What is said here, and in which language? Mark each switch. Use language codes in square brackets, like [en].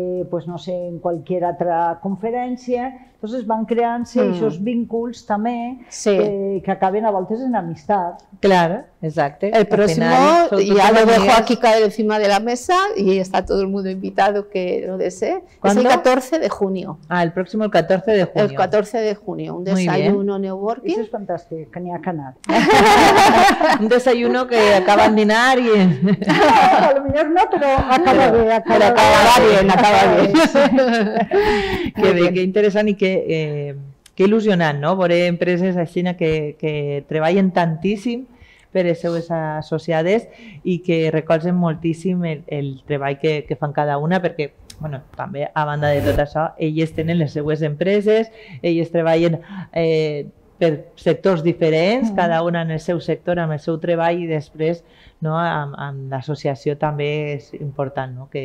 [es] pues no sé, [ca] en cualquier altra conferència. Entonces van creant-se aquests vínculs també que acaben a voltes en amistat. Clar, exacte. El pròxim, ja [es] lo dejo aquí caer encima de la mesa [ca] i està tot el món invitat [es] que lo desee. ¿Cuándo? És el 14 de junio. Ah, [ca] el pròxim [es] el 14 de junio. El 14 de junio, un desayuno networking. [ca] Això és fantàstic, que n'hi ha que anar. [es] Un desayuno que acaba en dinar i... [ca] No, a lo millor no, però acaba bé. Però acaba bé. Que bé, que interessant i que il·lusionant, no? Veure empreses així que treballen tantíssim per les seues associades i que recolzen moltíssim el treball que fan cada una, perquè, bueno, també a banda de tot això, elles tenen les seues empreses, elles treballen per sectors diferents, cada una en el seu sector, amb el seu treball, i després, no, amb l'associació també és important, no?